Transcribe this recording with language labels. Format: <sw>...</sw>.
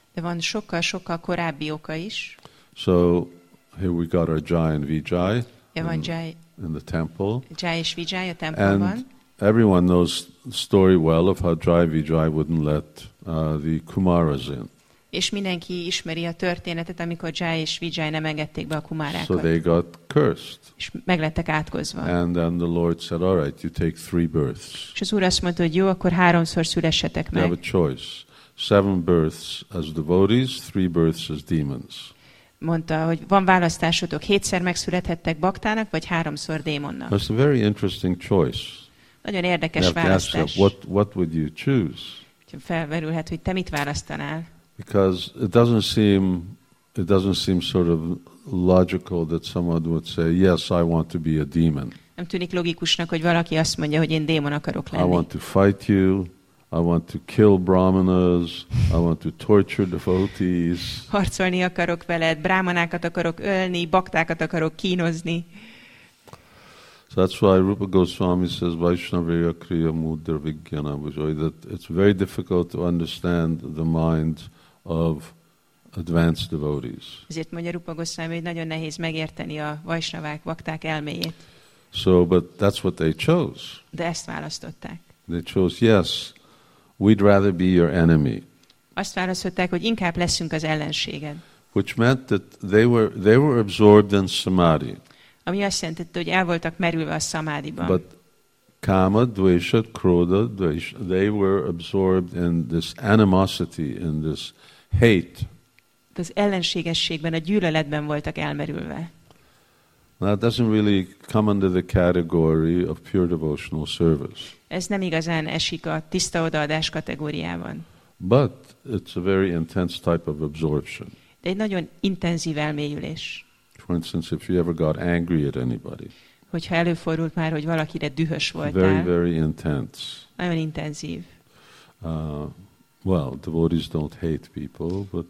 <hu>De van sokkal-sokkal korábbi oka is.</hu> <en>So here we got our Jai and Vijay. In the temple.</en> <hu>Jai és Vijay a templomban.</hu> <en>And everyone knows the story well of how Jai Vijay wouldn't let the Kumaras in.</en> <hu>És mindenki ismeri a történetet, amikor Jai és Vijay nem engedték be a Kumarákat.</hu> <en>So they got cursed.</en> <hu>És meglettek átkozva.</hu> <en>And then the Lord said, all right, you take three births.</en> <hu>És az Úr azt mondta, hogy jó, akkor háromszor szülessetek meg.</hu> <en>You have a choice. Seven births as devotees, three births as demons.</en> <hu>Mondta, hogy van választásotok, hétszer megszülethettek baktának, vagy háromszor démonnak.</hu> <en>That's a very interesting choice.</en> <hu>Nagyon érdekes választás.</hu> <en>What would you choose?</en> <hu>Felverülhet, hogy te mit választanál.</hu> <en>Because it doesn't seem sort of logical that someone would say, yes, I want to be a demon.</en> <hu>Nem tűnik logikusnak, hogy valaki azt mondja, hogy én démon akarok lenni.</hu> <en>I want to fight you. I want to kill brahmanas, I want to torture devotees.</en> <hu>Harcolni akarok veled, brahmanákat akarok ölni, baktákat akarok kínozni.</hu> <en>So that's why Rupa Goswami says</en> <sa>Vaishnavya Kriya Mudra Vigyana,</sa> <en>that it's very difficult to understand the mind of advanced devotees.</en> <hu>Ezért mondja Rupa Goswami, hogy nagyon nehéz megérteni a vaisnavák, bakták elméjét.</hu> <en>So, but that's what they chose.</en> <hu>De ezt választották.</hu> <en>They chose, yes, we'd rather be your enemy.</en> <hu>Azt válaszolták, hogy inkább leszünk az ellenséged.</hu> <en>Which meant that they were absorbed in samadhi.</en> <hu>Ami azt jelentette, hogy el voltak merülve a szamádiban.</hu> <en>But kama, dvesha, krodha, dvesha, they were absorbed in this animosity, in this hate.</en> <hu>Az ellenségességben, a gyűlöletben voltak elmerülve.</hu> <en>Now, it doesn't really come under the category of pure devotional service.</en> <hu>Ez nem igazán esik a tiszta odaadás kategóriában.</hu> <en>But it's a very intense type of absorption.</en> <hu>De egy nagyon intenzív elmélyülés.</hu> <en>For instance, if you ever got angry at anybody.</en> <hu>Hogyha előfordult már, hogy valakire dühös voltál.</hu> <en>Very, very intense.</en> <hu>Nagyon intenzív.</hu> <en>Well, devotees don't hate people, but</en>